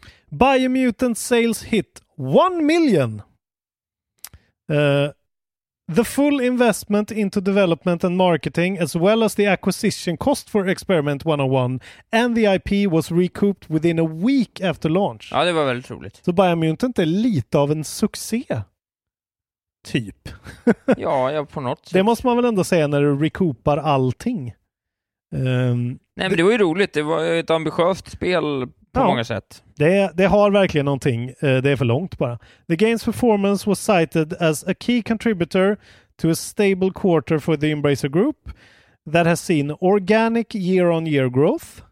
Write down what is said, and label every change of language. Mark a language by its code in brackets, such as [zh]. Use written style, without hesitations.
[en] Biomutant sales hit 1 million. The full investment into development and marketing as well as the acquisition cost for Experiment 101 and the IP was recouped within a week after launch. [sv] Ja, det var väldigt roligt. Så Biomutant är lite av en succé. Typ. ja, på något sätt. Det måste man väl ändå säga när du recoupar allting. Nej, men det var ju roligt. Det var ett ambitiöst spel på många sätt. Det har verkligen någonting. Det är för långt bara. [en] The game's performance was cited as a key contributor to a stable quarter for the Embracer Group that has seen organic year-on-year growth.